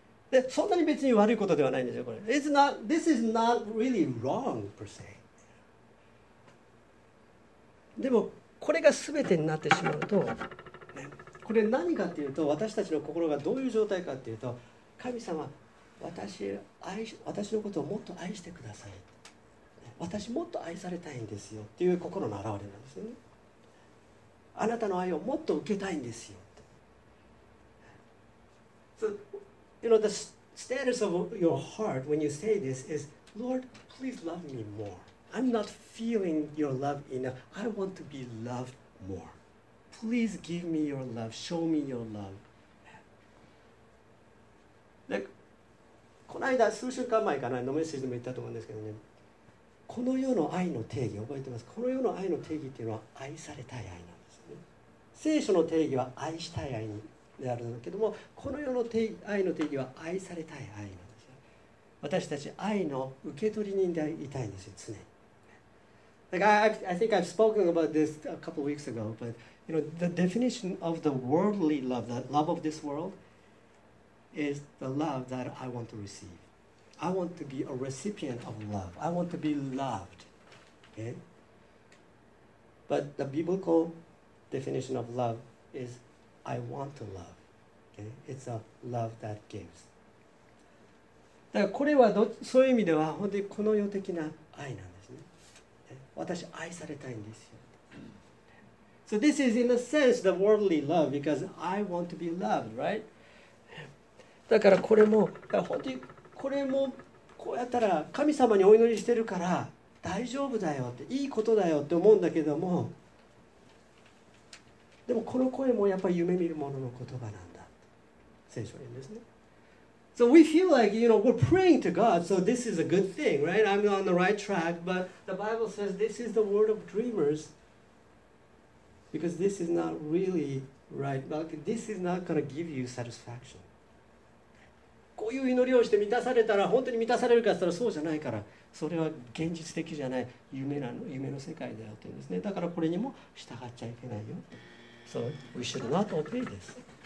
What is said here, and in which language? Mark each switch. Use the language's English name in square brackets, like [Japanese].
[Japanese] で、そんなに別に悪いことではないんですよ、これ。 [English] It's not, this is not really wrong, per se. [Japanese] でもこれが全てになってしまうと、ね、これ何かっていうと私たちの心がどういう状態かっていうと、神様、私のことをもっと愛してください、私もっと愛されたいんですよっていう心の表れなんですよね。あなたの愛をもっと受けたいんですよ。 [English] So you know the status of your heart when you say this is Lord, please love me moreI'm not feeling your love enough. I want to be loved more. Please give me your love. Show me your love. [Japanese] で、この間、数週間前かな、のメッセージでも言ったと思うんですけどね、この世の愛の定義、覚えてます。この世の愛の定義っていうのは愛されたい愛なんですね。聖書の定義は愛したい愛であるんだけども、この世の定義、愛の定義は愛されたい愛なんですね。私たち愛の受け取り人でいたいんですよ、常に。 [English] Like I think I've spoken about this a couple of weeks ago, but you know, the definition of the worldly love, the love of this world, is the love that I want to receive. I want to be a recipient of love. I want to be loved. Okay? But the biblical definition of love is I want to love. Okay? It's a love that gives. [Japanese] だからこれはそういう意味では本当にこの世的な愛なんです。私愛されたいんですよ。 [English] So this is in a sense the worldly love because I want to be loved, right? [Japanese] だからこれも本当にこれもこうやったら神様にお祈りしてるから大丈夫だよっていいことだよって思うんだけども、でもこの声もやっぱり夢見る者の言葉なんだ。聖書言うんですね。 [English] So we feel like, you know, we're praying to God, so this is a good thing, right? I'm on the right track, but the Bible says this is the word of dreamers. Because this is not really right. Like, this is not going to give you satisfaction. [Japanese] こういう祈りをして満たされたら本当に満たされるかって言ったらそうじゃないから、それは現実的じゃない夢なの、夢の世界だよというんですね。だからこれにも従っちゃいけないよ。 [English] So we should not obey this.